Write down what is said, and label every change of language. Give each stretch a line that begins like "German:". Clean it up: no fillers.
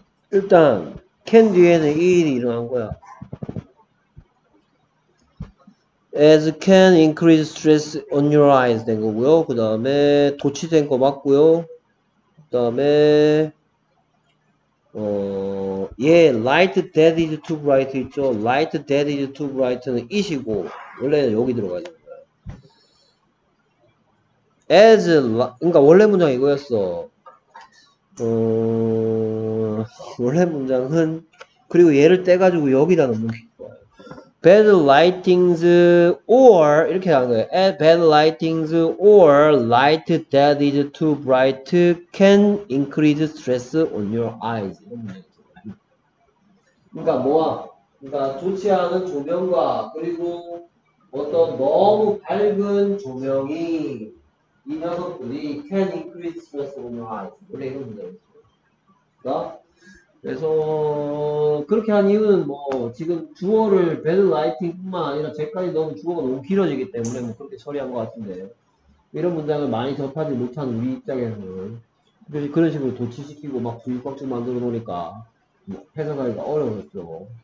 Korean: 일단 캔 뒤에는 이 일이 일어난 거야.
English: As can increase stress on your eyes
Korean: 된 거고요. 그 다음에 도치된 거 맞고요. 그 다음에
English: light that is too bright
Korean: 있죠.
English: Light that is too bright
Korean: 는 이시고 원래는 여기 들어가야 되는 거야. As 그러니까 원래 문장 이거였어. 원래 문장은 그리고 얘를 떼가지고 여기다 넣는 게 좋아요.
English: Bad lightings or
Korean: 이렇게 하는 거예요.
English: Bad lightings or light that is too bright can increase stress on your eyes.
Korean: 그러니까 뭐야? 그러니까 좋지 않은 조명과 그리고 어떤 너무 밝은 조명이 이 녀석들이
English: can increase stress on your eyes.
Korean: 그래, 이런 문제였어. 그래서 그렇게 한 이유는 뭐 지금 주어를 배드 라이팅뿐만 아니라 잭까지 너무 주어가 너무 길어지기 때문에 뭐 그렇게 처리한 것 같은데 이런 문장을 많이 접하지 못한 우리 입장에서는 그런 식으로 도치시키고 막 주의껍질 만들어 놓으니까 뭐 회사 가기가 어려워졌죠.